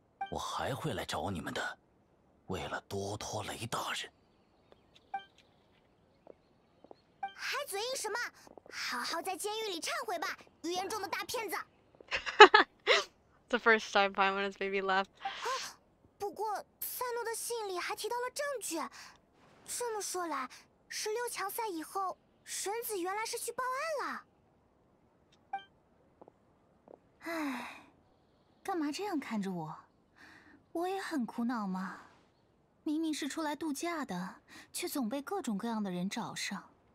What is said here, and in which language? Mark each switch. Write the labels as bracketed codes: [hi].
[zh] 我还会来找你们的, 为了多托雷大人。还嘴硬什么? 好好在监狱里忏悔吧, 预言中的大骗子。 [en] The first time Paimon has made me laugh. [zh] 不过, 萨诺的信里还提到了证据, 这么说来, 16强赛以后, 神子原来是去报案了。唉, 干嘛这样看着我? 我也很苦恼嘛, 明明是出来度假的, 却总被各种各样的人找上。